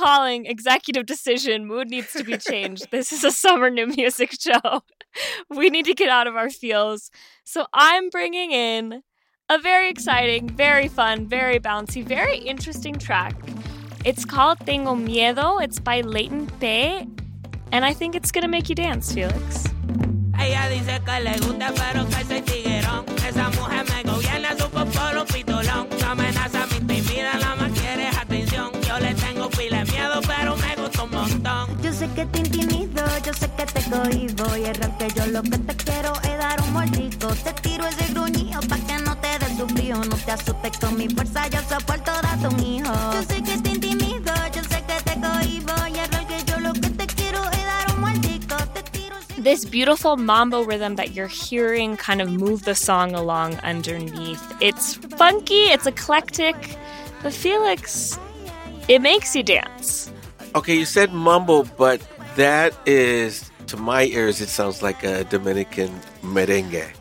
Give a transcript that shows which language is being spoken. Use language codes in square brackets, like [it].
[en] Calling executive decision. Mood needs to be changed. This is a summer new music show. We need to get out of our feels. So I'm bringing in a very exciting, very fun, very bouncy, very interesting track. It's called Tengo Miedo. It's by Leighton Pei. And I think it's going to make you dance, Felix. [es] Ella dice que le gusta, pero que soy tiguerón. Esa mujer me gobierna, supo por un pitolón. Su amenaza me intimida, nada más quiere atención. Yo le tengo pila de miedo, pero me gusta un montón. Yo sé que te intimido, yo sé que te cohibo. Y es real que yo lo que te quiero es dar un mordisco. Te tiro ese gruñido pa' que no te des tu frío. No te asustes con mi fuerza, yo soporto a tu hijo. Yo sé que te intimido, yo sé que te cohibo. Y es real que yo lo que te quiero es dar un mordisco. Te tiro ese gruñido. [en] This beautiful mambo rhythm that you're hearing kind of move the song along underneath. It's funky, it's eclectic, but Felix, it makes you dance. Okay, you said mambo, but that is, to my ears, it sounds like a Dominican merengue.